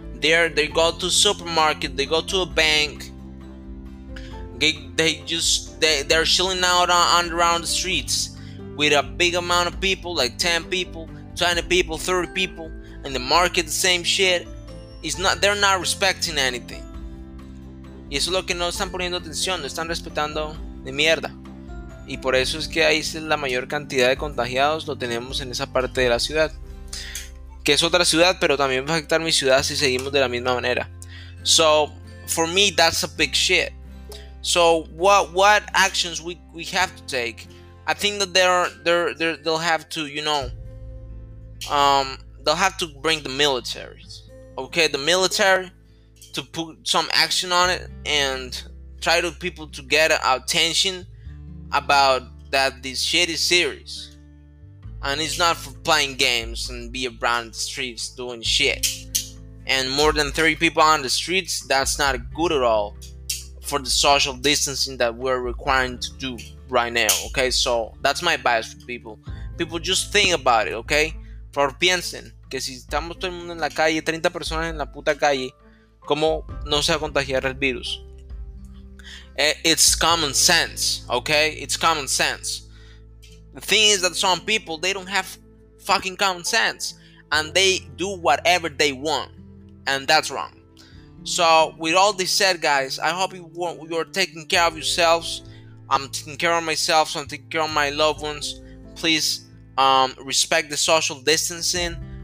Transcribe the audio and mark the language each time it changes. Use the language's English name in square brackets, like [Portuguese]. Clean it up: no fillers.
[English] They go to supermarket, they go to a bank, they're chilling out on around the streets with a big amount of people, like 10 people, 20 people, 30 people, and the market the same shit. They're not respecting anything. [Spanish] Y eso es lo que no están poniendo atención, no están respetando de mierda. Y por eso es que ahí es la mayor cantidad de contagiados, lo tenemos en esa parte de la ciudad. Que es otra ciudad, pero también va a afectar mi ciudad si seguimos de la misma manera. [English] So, for me, that's a big shit. So, what actions we have to take? I think that they'll have to, they'll have to bring the military. Okay, the military to put some action on it and try to people to get attention about that this shitty series, and it's not for playing games and be around the streets doing shit. And more than 30 people on the streets, that's not good at all for the social distancing that we're requiring to do right now, okay? So that's my advice for people. People, just think about it, okay? [Spanish] For piensen que si estamos todo el mundo en la calle, 30 personas en la puta calle, ¿cómo no se va a contagiar el virus? [English] It's common sense, okay? It's common sense. The thing is that some people, they don't have fucking common sense, and they do whatever they want, and that's wrong. So, with all this said, guys, I hope you're taking care of yourselves. I'm taking care of myself, so I'm taking care of my loved ones. Please, respect the social distancing.